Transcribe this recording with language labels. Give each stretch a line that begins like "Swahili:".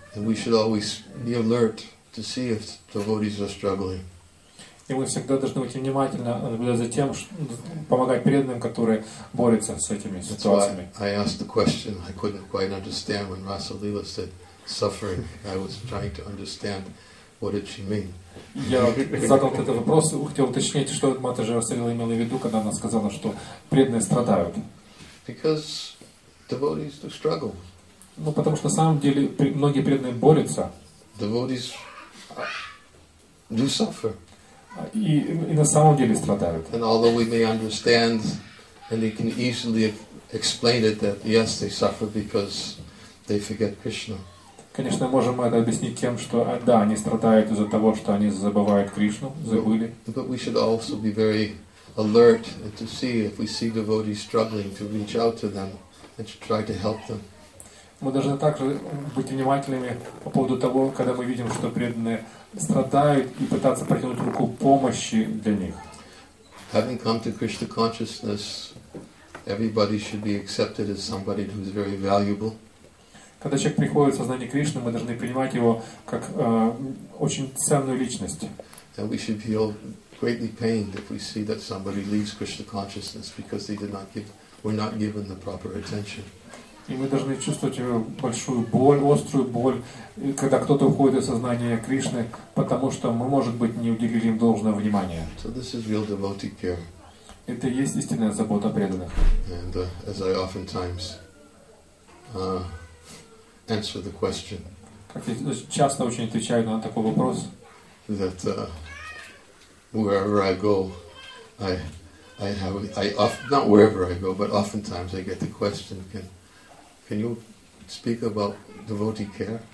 English: And we should always be alert to see if devotees are struggling.
Russian: И мы всегда должны быть внимательны, наблюдать за тем, чтобы помогать преданным, которые борются с этими ситуациями.
English: I asked the question, I couldn't quite understand when Rasalila said suffering. I was trying to understand what did she mean.
Russian: Я задал этот вопрос, хотел уточнить, что Матаджи Расалила имела в виду, когда она сказала, что преданные страдают.
English: Because devotees do struggle.
Russian: Ну, потому что на самом деле многие преданные борются.
English: Devotees do suffer.
Russian: И на самом деле страдают.
English: And although we may understand and they can easily explain it that yes, they suffer because they forget Krishna.
Russian: Конечно, можем мы это объяснить тем, что да, они страдают из-за того, что они забывают Кришну, забыли.
English: But we should also be very alert and to see if we see devotees struggling to reach out to them and to try to help them.
Russian: Мы должны также быть внимательными по поводу того, когда мы видим, что преданные страдают, и пытаться протянуть руку помощи для них.
English: Having come to Krishna consciousness, everybody should be accepted as somebody who is very valuable.
Russian: Когда человек приходит в сознание Кришны, мы должны принимать его как очень ценную личность.
English: And we should feel greatly pained if we see that somebody leaves Krishna consciousness because they did not give, were not given the proper attention.
Russian: И мы должны чувствовать большую боль, острую боль, когда кто-то уходит из сознания Кришны, потому что мы, может быть, не уделили им должного внимания.
English: So this is real devotee care.
Russian: Это и есть истинная забота о преданных.
English: And as I oftentimes answer the question.
Russian: Как я часто очень отвечаю на такой вопрос.
English: That wherever I go, oftentimes I get the question, Can you speak about devotee care?